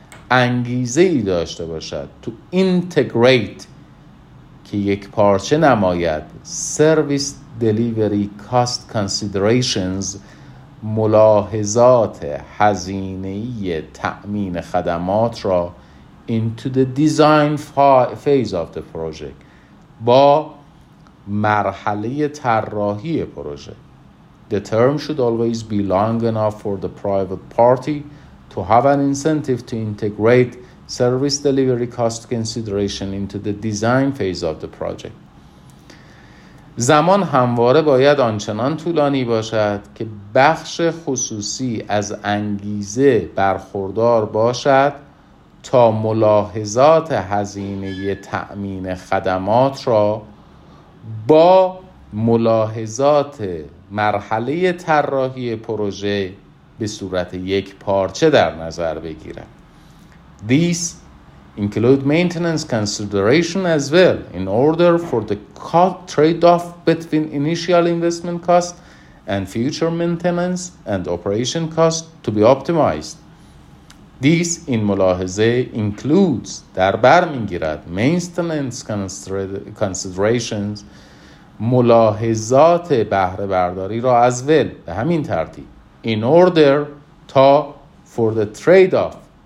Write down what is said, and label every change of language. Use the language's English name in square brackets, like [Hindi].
[Persian] انگیزه ای داشته باشد [English] to integrate [Persian] که یک پارچه نماید [English] service delivery cost considerations [Persian] ملاحظات هزینه‌ای تأمین خدمات را [English] into the design phase of the project [Persian] با مرحله طراحی پروژه. [English] The term should always be long enough for the private party to have an incentive to integrate service delivery cost consideration into the design phase of the project. [Persian] زمان همواره باید آنچنان طولانی باشد که بخش خصوصی از انگیزه برخوردار باشد تا ملاحظات هزینه تأمین خدمات را با ملاحظات مرحله طراحی پروژه به صورت یک پارچه در نظر بگیرد. [English] These include maintenance consideration as well in order for the trade-off between initial investment cost and future maintenance and operation cost to be optimized. This [Persian] این ملاحظه [English] includes [Persian] در بر میگیرد [English] maintenance considerations [Persian] ملاحظات بهره برداری را از ول به همین ترتیب [English] in order [Persian] تا [English] for the trade-off